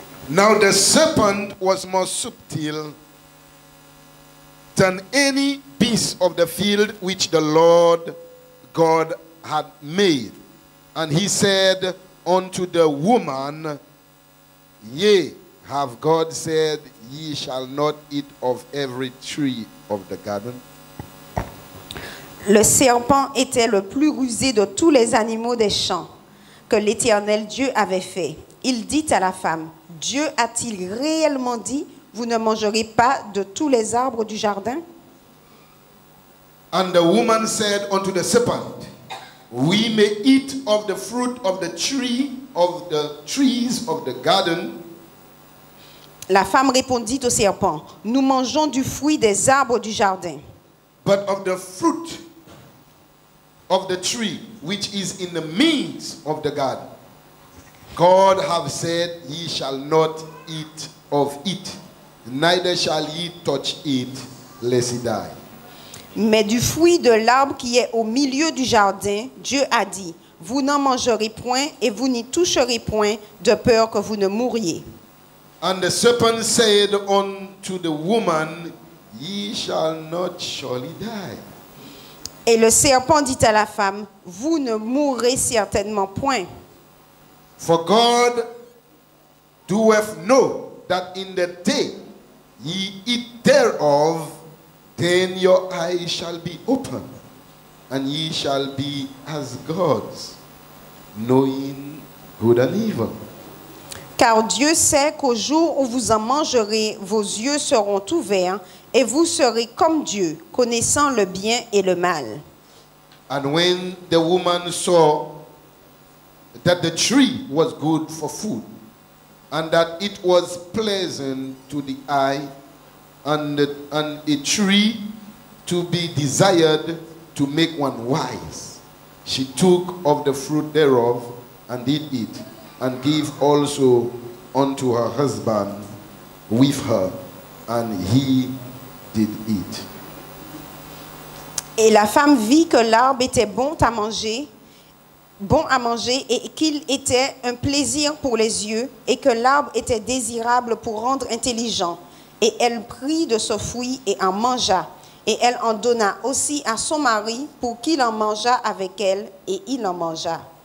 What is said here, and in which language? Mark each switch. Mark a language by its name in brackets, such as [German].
[English] Now the serpent was more subtil than any beast of the field which the Lord God had made. And he said unto the woman, ye have God said, ye shall not eat of every tree of the garden. [French] Le serpent était le plus rusé de tous les animaux des champs que l'Éternel Dieu avait fait. Il dit à la femme, Dieu a-t-il réellement dit, vous ne mangerez pas de tous les arbres du jardin? [English] And the woman said unto the serpent, we may eat of the fruit of the tree of the trees of the garden. [French] La femme répondit au serpent, nous mangeons du fruit des arbres du jardin. [English] But of the fruit of the tree which is in the midst of the garden, God have said, ye shall not eat of it, neither shall ye touch it, lest ye die. [French] Mais du fruit de l'arbre qui est au milieu du jardin, Dieu a dit, vous n'en mangerez point et vous n'y toucherez point, de peur que vous ne mouriez. [English] And the serpent said unto the woman, ye shall not surely die. [French] Et le serpent dit à la femme, vous ne mourrez certainement point. [English] For God doeth know that in the day ye eat thereof, then your eyes shall be open, and ye shall be as gods, knowing good and evil. [French] Car Dieu sait qu'au jour où vous en mangerez, vos yeux seront ouverts, et vous serez comme Dieu, connaissant le bien et le mal. [English] And when the woman saw that the tree was good for food, and that it was pleasant to the eye, and a tree to be desired to make one wise, she took of the fruit thereof and did eat, and gave also unto her husband with her, and he did eat. [French] Et la femme vit que l'arbre était bon à manger et qu'il était un plaisir pour les yeux et que l'arbre était désirable pour rendre intelligent. Et elle prit de ce fruit et en mangea. Et elle en donna aussi à son mari pour qu'il en mangeât avec elle et il en mangea.